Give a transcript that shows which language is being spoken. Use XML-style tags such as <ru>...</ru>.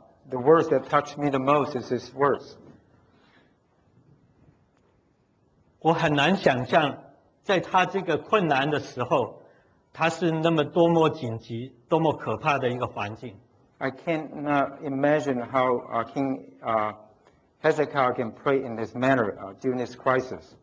<en>The words that touched me the most is His words.</en> <zh>我很难想象，在他这个困难的时候。它是那么多么紧急，多么可怕的一个环境。</zh> <en>I cannot imagine how King Hezekiah can pray in this manner during this crisis.</en>